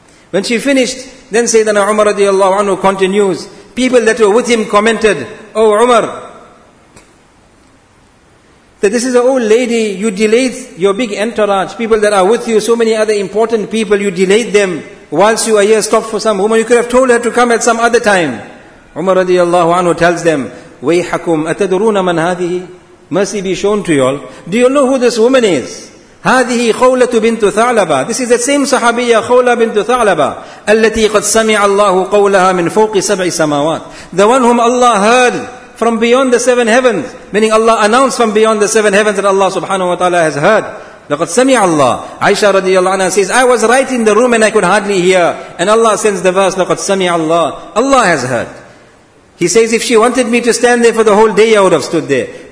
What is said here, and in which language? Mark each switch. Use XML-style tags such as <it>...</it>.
<en>When she finished, then Sayyidina Umar radiallahu anhu continues, people that were with him commented, "Oh Umar, that this is an old lady, you delayed your big entourage, people that are with you, so many other important people, you delayed them whilst you are here stopped for some woman. You could have told her to come at some other time." Umar radiallahu anhu tells them,</en> <ar>"Wayhakum, atadruna man hadihi?</ar> <en>Mercy be shown to you all. Do you know who this woman is?</en> <ar>هذه خولة بنت ثعلبة.</ar> <en>This is the same</en> <ar>صحابية خولة بنت ثعلبة التي قد سمع الله قولها من فوق سبع سماوات.</ar> <en>The one whom Allah heard from beyond the seven heavens, meaning Allah announced from beyond the seven heavens that Allah subhanahu wa ta'ala has heard.</en> <ar>لقد سمع الله.</ar> <en>Aisha radiallahu anha says, I was right in the room and I could hardly hear. And Allah sends the verse,</en> <ar>لقد سمع الله.</ar> <en>Allah has heard. He says, if she wanted me to stand there for the whole day, I would have stood there.</en>